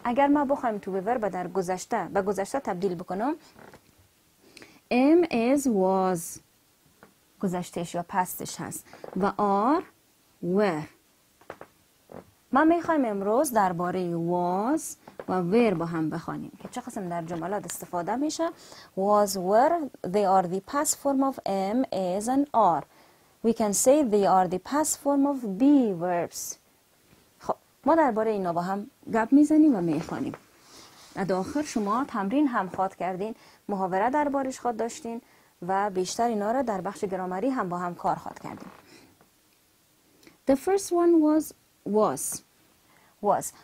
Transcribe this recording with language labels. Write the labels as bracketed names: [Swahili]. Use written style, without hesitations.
[Persian] اگر ما بخوایم to be verb در گذشته به گذشته تبدیل بکنم، am, is, was گذشتهش یا پستش هست و are, were. ما میخوایم امروز درباره was و where با هم بخوانیم که چه قسم در جملات استفاده میشه. [English] Was, were, they are the past form of am, is and are. We can say they are the past form of be verbs. [Persian] خب ما درباره اینا با هم گپ میزنیم و میخوانیم. در آخر شما تمرین هم خواد کردین، محاوره دربارش خواد داشتین و بیشتر اینا را در بخش گرامری هم با هم کار خواد کردین. [English] The first one was. Was.